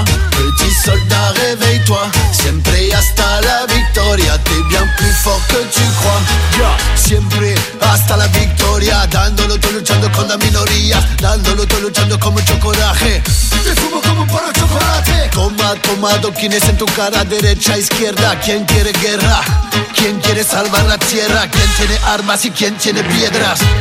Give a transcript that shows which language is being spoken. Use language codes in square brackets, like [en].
[fr] Petit soldat, réveille-toi. [es] Siempre hasta la victoria. [fr] T'es bien plus fort que tu crois. Yeah. [es] Siempre hasta la victoria. Dándolo todo luchando con la minoría. Dándolo todo luchando como mucho coraje. Te fumo como un poro chocolate. Toma, toma adoquines en tu cara. Derecha, izquierda. ¿Quién quiere guerra? ¿Quién quiere salvar la tierra? ¿Quién tiene armas y quién tiene piedras?